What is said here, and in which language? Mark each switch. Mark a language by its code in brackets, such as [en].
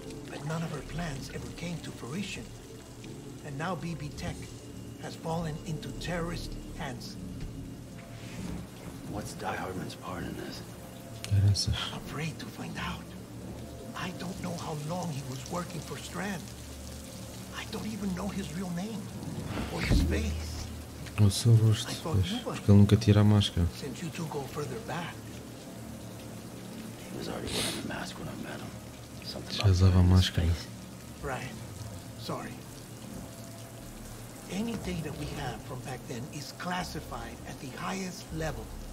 [en] But none of her plans ever came to fruition. And now BB Tech has fallen into terrorist hands. What's Die Hardman's part in this? I'm afraid to find out. I don't know how long he was working for Strand. I don't even know his real name or his face. [pt] O seu rosto, pois, porque ele nunca tira a máscara. [en] Since you two go further back. He was already wearing a mask when I met him. [pt] Já usava a máscara. [en] Brian, sorry. Any data we have from back then is classified at the highest level.